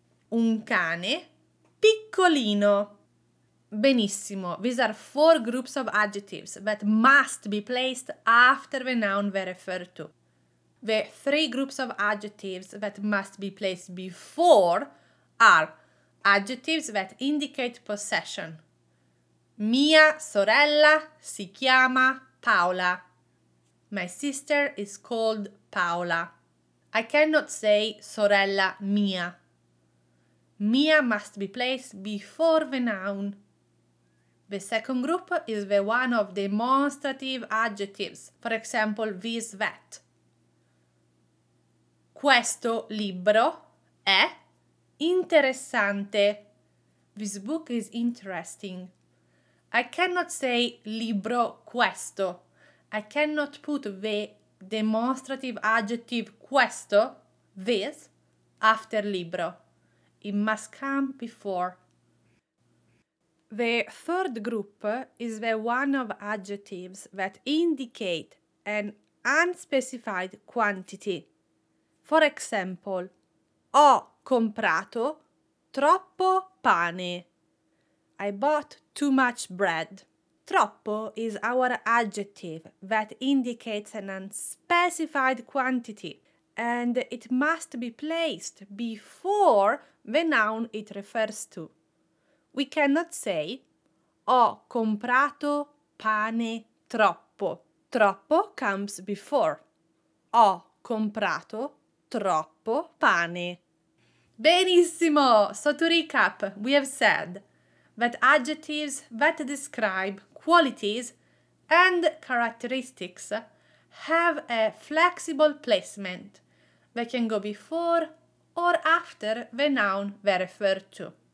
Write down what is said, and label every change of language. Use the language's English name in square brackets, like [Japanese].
[Italian] Un cane piccolino. Benissimo, [English] these are four groups of adjectives that must be placed after the noun they refer to. The three groups of adjectives that must be placed before are adjectives that indicate possession. [Italian] Mia sorella si chiama Paola. [English] My sister is called Paola. I cannot say [Italian] sorella mia. [English] Mia must be placed before the noun. The second group is the one of demonstrative adjectives. For example, this, that. [Italian] Questo libro è interessante. [English] This book is interesting. I cannot say [Italian] libro questo. [English] I cannot put the demonstrative adjective questo, this, after libro. It must come before. The third group is the one of adjectives that indicate an unspecified quantity. For example, [Italian] ho comprato troppo pane. [English] I bought too much bread. Troppo is our adjective that indicates an unspecified quantity, and it must be placed before the noun it refers to. We cannot say [Italian] ho comprato pane troppo. [English] Troppo comes before. [Italian] Ho comprato troppo pane. Benissimo! [English] So to recap, we have said that adjectives that describe qualities and characteristics have a flexible placement. They can go before or after the noun they refer to.